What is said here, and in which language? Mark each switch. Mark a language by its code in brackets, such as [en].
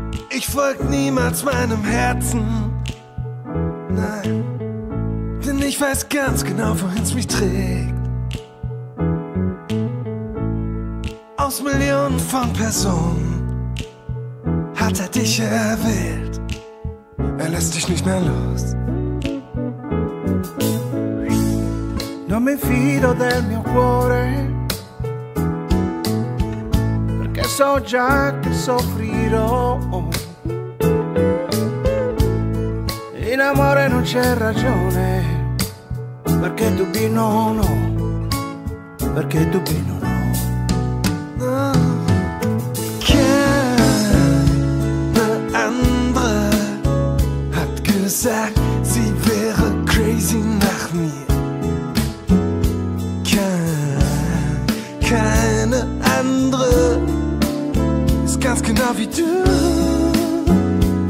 [de] Ich folg niemals meinem Herzen, nein, denn ich weiß ganz genau, wohin's mich trägt. Aus Millionen von Personen hat er dich erwählt, er lässt dich nicht mehr los. [it] Non mi fido del mio cuore, perché so già che soffrirò. In amore non c'è ragione, perché dubbi non ho, perché dubbi non ho. [de] Keine andere hat gesagt, sie wäre crazy nach mir. Keine andere ist ganz genau wie du.